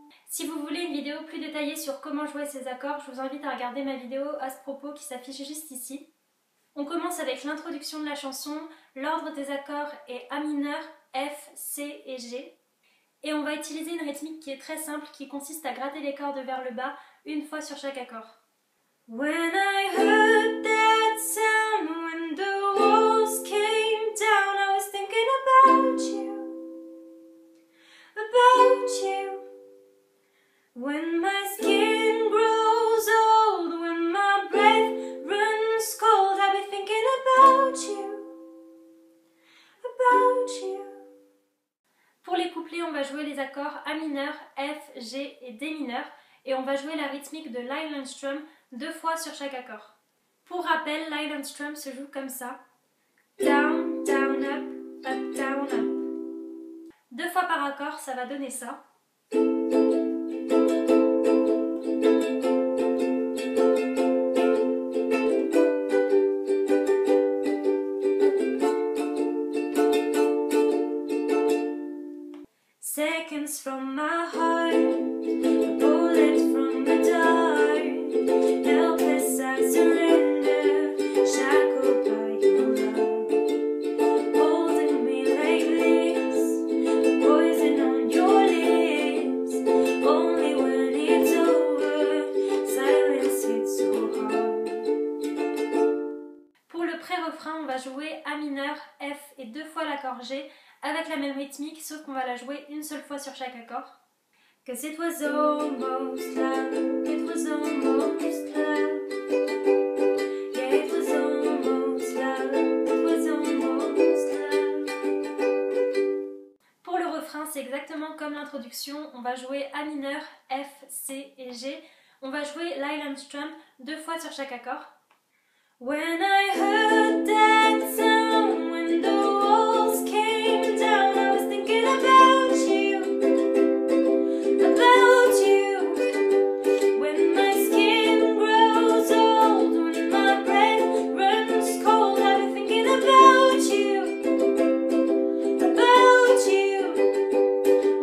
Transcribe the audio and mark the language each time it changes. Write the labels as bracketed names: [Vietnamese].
[French] Si vous voulez une vidéo plus détaillée sur comment jouer ces accords, je vous invite à regarder ma vidéo à ce propos qui s'affiche juste ici. On commence avec l'introduction de la chanson, l'ordre des accords est A mineur, F, C et G. Et on va utiliser une rythmique qui est très simple, qui consiste à gratter les cordes vers le bas, une fois sur chaque accord. [English] When I heard that sound, when the walls came down, I was thinking about you, about you. When my skin grows old, when my breath runs cold, I'll be thinking about you, about you. [French] Pour les couplets, on va jouer les accords A mineur, F, G et D mineur, et on va jouer la rythmique de l'island strum deux fois sur chaque accord. Pour rappel, l'island strum se joue comme ça. [English] Down, down, up, up, down, up. [French] Deux fois par accord, ça va donner ça. [English] Seconds from my heart, bullets from the dark, helpless I surrender, shackled by your love, holding me like this, poison on your lips, only when it's over, silence hits so hard. [French] Pour le pré-refrain, on va jouer A mineur, F et deux fois l'accord G, avec la même rythmique, sauf qu'on va la jouer une seule fois sur chaque accord. [English] Cause it was almost love, it was almost love. Yeah, it was almost love, it was almost love. [French] Pour le refrain, c'est exactement comme l'introduction. On va jouer A mineur, F, C et G. On va jouer l'island strum deux fois sur chaque accord. [English] When I heard that sound, when the walls came down, I was thinking about you, about you. When my skin grows old, when my breath runs cold, I was thinking about you, about you.